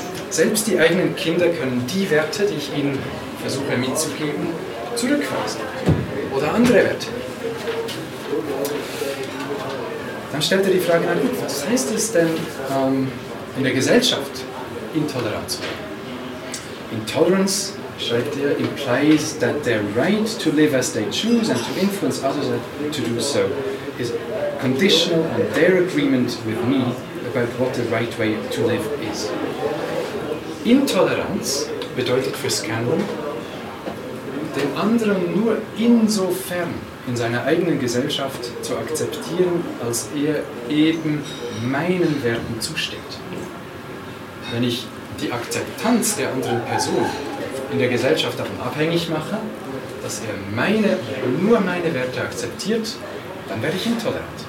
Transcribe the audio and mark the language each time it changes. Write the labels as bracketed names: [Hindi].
[German] Selbst die eigenen Kinder können die Werte, die ich ihnen versuche mitzugeben, zurückweisen. Oder andere Werte. Dann stellt er die Frage an, was heißt es denn, in der Gesellschaft intolerant zu sein? [English] Intolerance, [German] schreibt er, [English] implies that their right to live as they choose and to influence others to do so is conditional on their agreement with me about what the right way to live is. [German] Intoleranz bedeutet für Scanlon, den anderen nur insofern in seiner eigenen Gesellschaft zu akzeptieren, als er eben meinen Werten zusteht. Wenn ich die Akzeptanz der anderen Person in der Gesellschaft davon abhängig mache, dass er meine, nur meine Werte akzeptiert, dann werde ich intolerant.